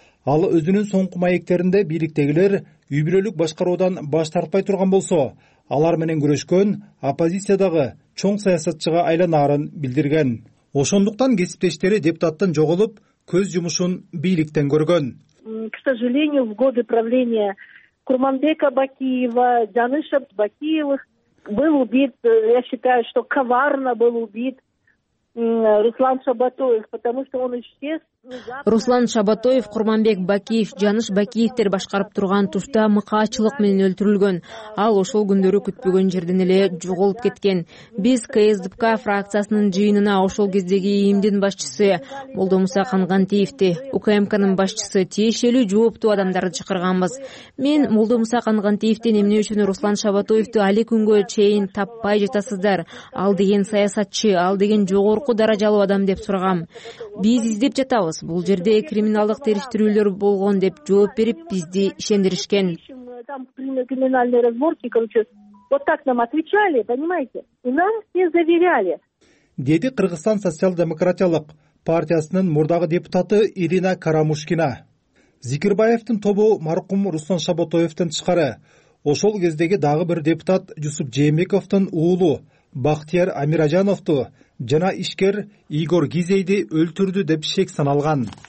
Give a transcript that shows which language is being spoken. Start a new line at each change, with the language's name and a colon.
Kyrgyz: Ал өзүнүн соңку маектеринде бийликтегилер үй бүлөлүк башкаруудан баш тартпай турган болсо, алар менен күрөшкөн оппозициядагы чоң саясатчыга айланарын билдирген. Ошондуктан кесиптештери депутаттын жоголуп көз жумушун бийликтен көргөн.
Russian: К сожалению, в годы правления Курманбека Бакиева, Даныша Бакиевых был убит, я считаю, что коварно был убит Руслан Шабатоев, потому что он исчез.
Kyrgyz: Руслан Шабатоев, Курманбек Бакиев, Жаныш Бакиевдер башкарып турган тушта мыкаачылык менен өлтүрүлгөн. Ал ошол күндөрү күтпөгөн жерден эле жоголуп кеткен. Биз КСДПК фракциясынын жыйынына ошол кездеги ИИМдин башчысы Молдомуса Кангантиевди, УКМКнын башчысы тиешелүү жооптуу адамдарды чакырганбыз. Мен Молдомуса Кангантиевтен эмне үчүн Руслан Шабатоевду али күнгө чейин таппай жатасыздар? Ал деген саясатчы, ал деген жогорку даражалуу адам деп сурагам. Биз издеп жатабыз. Бул жерде криминалдык териштирүүлөр болгон деп жооп берип, бизди ишендиришкен.
Russian: Там криминальные разборки, короче, вот так нам отвечали, понимаете? И нам все заверяли.
Kyrgyz: деди Кыргызстан социал-демократиялык партиясынын мурдагы депутаты Ирина Карамушкина. Зикирбаевдин тобу маркум Руслан Шаботоевден тышкары ошол кездеги дагы бир депутат Жусуп Жээнбековдун уулу Бактияр Амиражановду жана ишкер Игорь Гизейди өлтүрдү деп шек саналган.